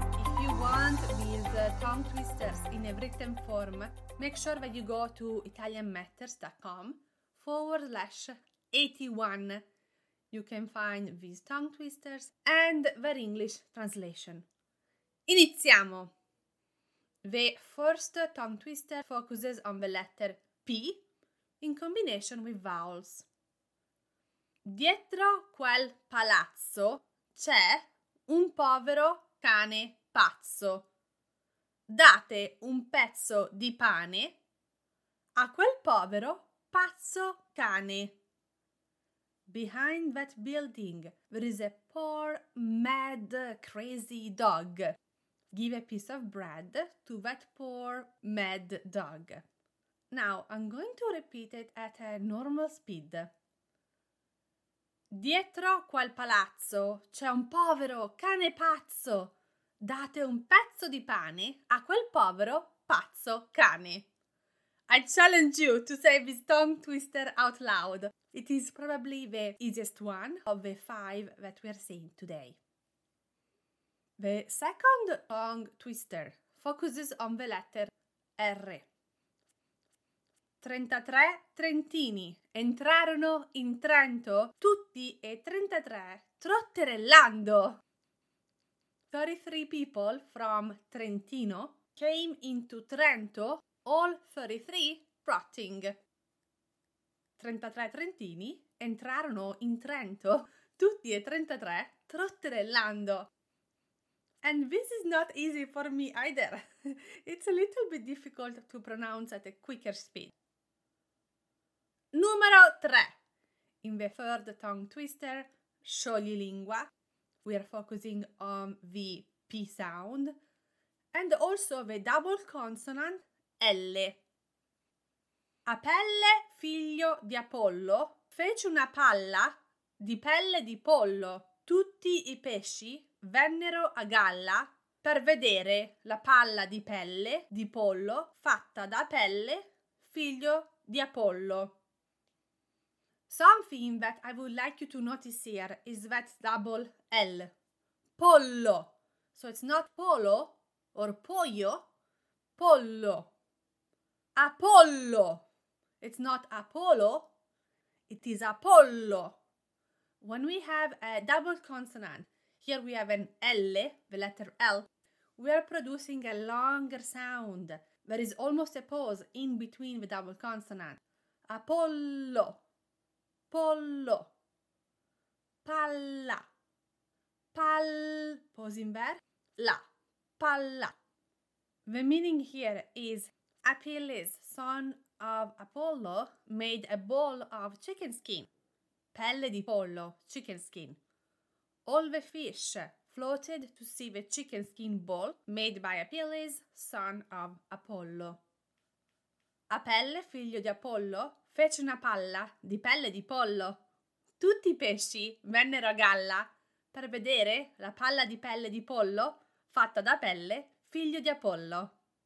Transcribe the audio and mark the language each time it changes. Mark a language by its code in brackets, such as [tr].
[en] If you want these tongue twisters in a written form, make sure that you go to italianmatters.com/81. You can find these tongue twisters and their English translation. [it] Iniziamo! [en] The first tongue twister focuses on the letter P in combination with vowels. [it] Dietro quel palazzo c'è un povero cane pazzo. Date un pezzo di pane a quel povero pazzo cane. [en] Behind that building there is a poor, mad, crazy dog. Give a piece of bread to that poor, mad dog. Now, I'm going to repeat it at a normal speed. [it] Dietro quel palazzo c'è un povero cane pazzo. Date un pezzo di pane a quel povero pazzo cane. [en] I challenge you to say this tongue twister out loud. It is probably the easiest one of the 5 that we are seeing today. The second tongue twister focuses on the letter R. [it] 33 trentini entrarono in Trento tutti e 33 trotterellando. [en] 33 people from Trentino came into Trento, all 33 trotting. [it] 33 trentini entrarono in Trento tutti e 33 trotterellando. [en] And this is not easy for me either. It's a little bit difficult to pronounce at a quicker speed. [it] Numero 3. [en] In the third tongue twister, scioglilingua, we are focusing on the P sound and also the double consonant L. [it] Apelle, figlio di Apollo, fece una palla di pelle di pollo. Tutti i pesci vennero a galla per vedere la palla di pelle di pollo fatta da Apelle, figlio di Apollo. [en] Something that I would like you to notice here is that double L. Pollo. So it's not polo or pollo. Pollo. Apollo. It's not Apollo. It is Apollo. When we have a double consonant, here we have an L, the letter L, we are producing a longer sound. There is almost a pause in between the double consonant. [it] Apollo, pollo, palla, pal, pausing there, la, palla. [en] The meaning here is Achilles, son of Apollo, made a ball of chicken skin. [it] Pelle di pollo, [en] chicken skin. All the fish floated to see the chicken skin ball made by Achilles, son of Apollo. [it] Apelle, figlio di Apollo, fece una palla di pelle di pollo. Tutti i pesci vennero a galla per vedere la palla di pelle di pollo fatta da Apelle, figlio di Apollo.